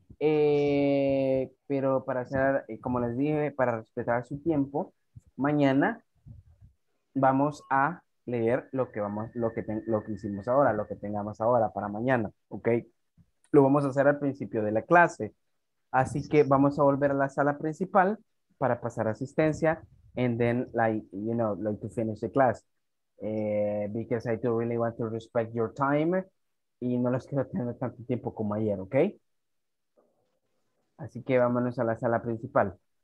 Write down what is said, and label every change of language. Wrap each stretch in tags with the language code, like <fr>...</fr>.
<es>Pero para hacer, como les dije, para respetar su tiempo, mañana vamos a leer lo que hicimos ahora, lo que tengamos ahora para mañana, ¿ok? Lo vamos a hacer al principio de la clase. Así que vamos a volver a la sala principal para pasar asistencia.</es> <en>And then, like, you know, like to finish the class. Because I do really want to respect your time.</en> <es>Y no los quiero tener tanto tiempo como ayer, ¿ok? Así que vámonos a la sala principal.</es>